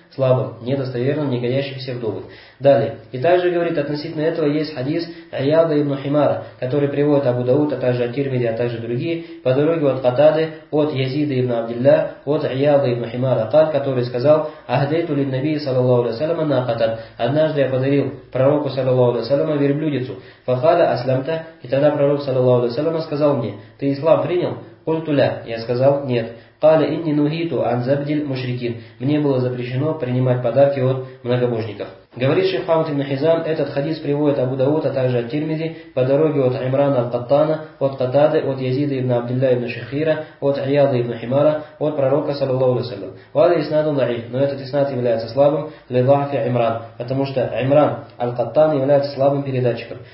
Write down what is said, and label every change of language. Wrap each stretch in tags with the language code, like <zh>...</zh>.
<ru>Слабым, недостоверным, не годящимся в довод. Далее. И также говорит, относительно этого есть хадис Айяда ибн Химара, который приводит Абу Дауд, а также Ат-Тирмизи, а также другие, по дороге от Катады, от Язида ибн Абдилля, от Айяда ибн Химара, Каль, который сказал:</ru> <ar>«Ахдейту лин Наби саллаллаху алейхи ва саллям на Катад».</ar> <ru>Однажды я подарил пророку саллаллаху алейхи ва саллям верблюдицу.</ru> <ar>«Факаля аслямта».</ar> <ru>И тогда пророк саллаллаху алейхи ва саллям сказал мне: «Ты ислам принял?»</ru> <ar>«Культуля».</ar> <ru>Я сказал: «Нет».</ru> <ar>قال إني نهيت عن زبد المشركين.</ar> <ru>Мне было запрещено принимать подарки от многобожников. Говорит шейх Мухаммад ибн Хизам, этот хадис приводит Абу Дауд, а также Ат-Тирмизи, по дороге от Имрана аль-Каттана, от Катады, от Язида ибн Абдилля ибн Шахира, от Айяда ибн Химара, от пророка саллаллаху алейхи ва саллям.</ru> <ar>Вали иснаду даиф,</ar> <ru>но этот иснад является слабым,</ru> <ar>ли дафи</ar> <ru>Имран, потому что Имран аль-Каттан является слабым передатчиком.</ru>